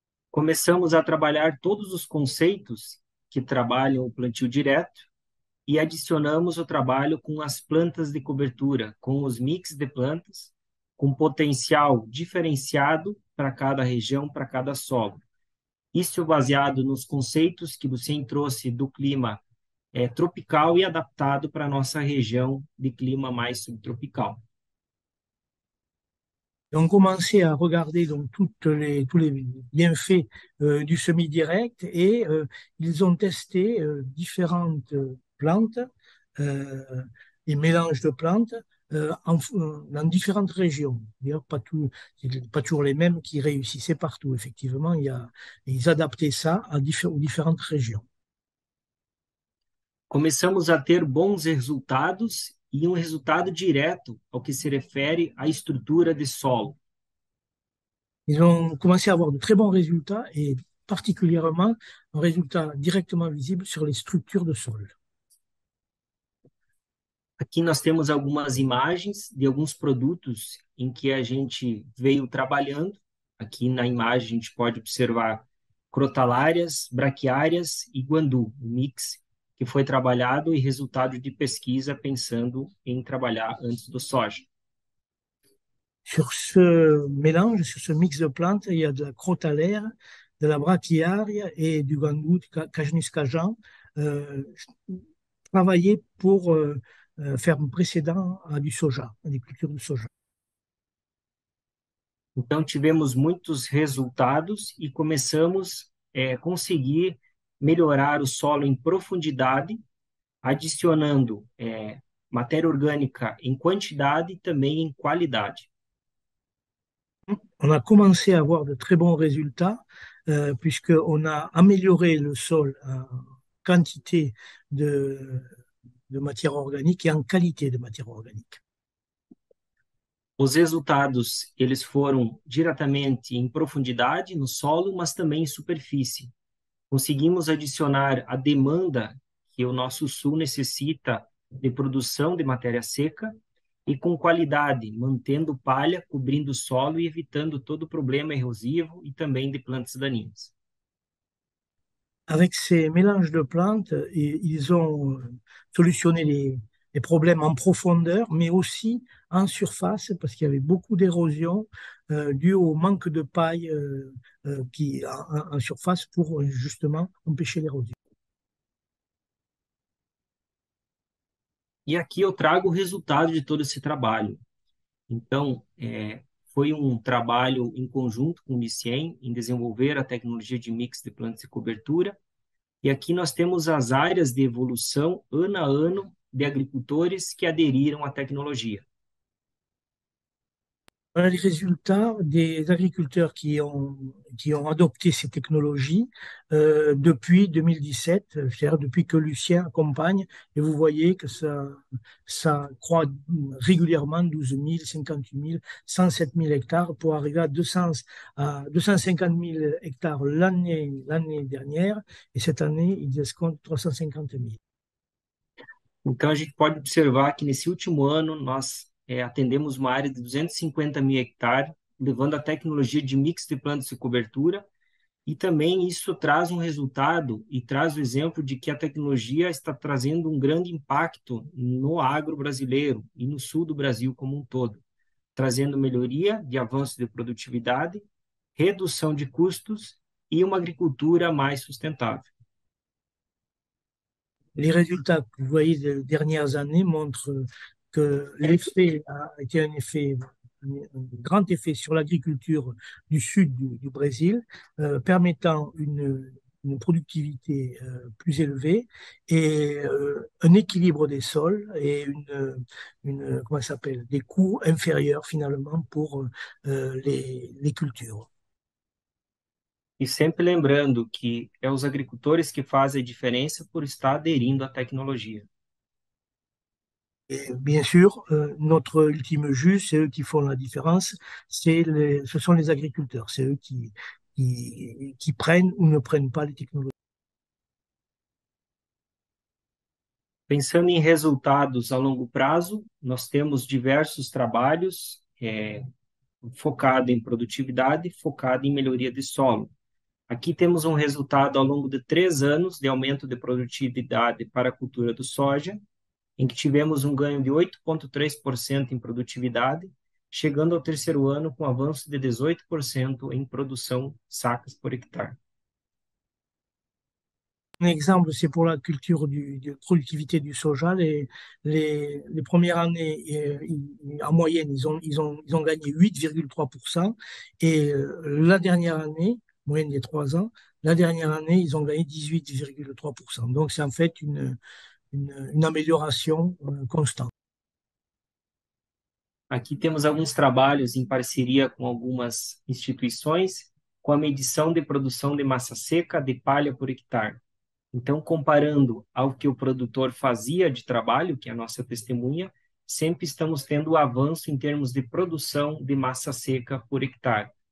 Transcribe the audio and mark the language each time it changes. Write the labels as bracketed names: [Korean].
[Portuguese] Começamos a trabalhar todos os conceitos que trabalham o plantio direto e adicionamos o trabalho com as plantas de cobertura, com os mix de plantas, com potencial diferenciado para cada região, para cada solo. Isso baseado nos conceitos que você trouxe do clima tropical e adaptado para a nossa região de clima mais subtropical. [French] Ils ont commencé à regarder donc tous les bienfaits du semis direct et ils ont testé différentes plantes et mélanges de plantes dans différentes régions. D'ailleurs, pas toujours les mêmes qui réussissaient partout. Effectivement, ils adaptaient ça aux différentes régions. [Portuguese] Começamos a ter bons resultados e um resultado direto ao que se refere à estrutura de solo. [French] Ils ont commencé à avoir de très bons résultats et particulièrement un résultat directement visible sur les structures de sol. [Portuguese] Aqui nós temos algumas imagens de alguns produtos em que a gente veio trabalhando. Aqui na imagem a gente pode observar crotalárias, braquiárias e guandu, o mix que foi trabalhado e resultado de pesquisa pensando em trabalhar antes do soja. [French] Sur ce mélange, sur ce mix de plantes, il y a de la crotalaire, de la brachiaria et du guandu, de cajun, travaillé pour faire un précédent à du soja, à des cultures de soja. [Portuguese] Então, tivemos muitos resultados e começamos a conseguir melhorar o solo em profundidade, adicionando matéria orgânica em quantidade e também em qualidade. [French] On a commencé à avoir de très bons résultats, puisqu'on a amélioré le sol en quantité de matière organique et en qualité de matière organique. [Portuguese] Os resultados, eles foram diretamente em profundidade no solo, mas também em superfície. Conseguimos adicionar a demanda que o nosso sul necessita de produção de matéria seca e com qualidade, mantendo palha, cobrindo o solo e evitando todo o problema erosivo e também de plantas daninhas. [French] Avec ces mélanges de plantes, ils ont solutionné des problèmes en profondeur, mais aussi en surface, parce qu'il y avait beaucoup d'érosion due au manque de paille qui en surface pour justement empêcher l'érosion. [Portuguese] E aqui eu trago o resultado de todo esse trabalho. Então, foi um trabalho em conjunto com o MICIEM em desenvolver a tecnologia de mix de plantas de cobertura. E aqui nós temos as áreas de evolução ano a ano de agricultores que aderiram à tecnologia. [French] Voilà les résultats des agriculteurs qui ont adopté ces technologies depuis 2017, c'est-à-dire depuis que Lucien accompagne, et vous voyez que ça croît régulièrement, 12 000, 58 000, 107 000 hectares, pour arriver à 250 000 hectares l'année dernière, et cette année, ils escomptent 350 000. [Portuguese] Então, a gente pode observar que nesse último ano nós atendemos uma área de 250 mil hectares, levando a tecnologia de mix de plantas de cobertura, e também isso traz um resultado e traz o exemplo de que a tecnologia está trazendo um grande impacto no agro brasileiro e no sul do Brasil como um todo, trazendo melhoria de avanço de produtividade, redução de custos e uma agricultura mais sustentável. [French] Les résultats que vous voyez des dernières années montrent que l'effet a été un grand effet sur l'agriculture du sud du Brésil, permettant une productivité plus élevée et un équilibre des sols et comment ça s'appelle, des coûts inférieurs finalement pour les cultures. [Portuguese] E sempre lembrando que é os agricultores que fazem a diferença por estar aderindo à tecnologia. [French] Et bien sûr, notre ultime jus, c'est eux qui font la différence, ce sont les agriculteurs, c'est eux qui prennent ou ne prennent pas les technologies. [Portuguese] Pensando em resultados a longo prazo, nós temos diversos trabalhos focado em produtividade, focado em melhoria de solo. Aqui temos um resultado ao longo de 3 anos de aumento de produtividade para a cultura do soja, em que tivemos um ganho de 8,3% em produtividade, chegando ao terceiro ano com avanço de 18% em produção sacas por hectare. Um exemplo, [French] c'est pour la culture de productivité du soja. Les premières années, en moyenne, ils ont gagné 8,3%. Et la dernière année, moyenne des 3 ans, la dernière année, ils ont gagné 18,3%. Donc, c'est en fait une amélioration constante. [Portuguese] Aqui temos alguns trabalhos em parceria com algumas instituições, com a medição de produção de massa seca de palha por hectare. Então, comparando ao que o produtor fazia de trabalho, que é a nossa testemunha, sempre estamos tendo avanço em termos de produção de massa seca por hectare.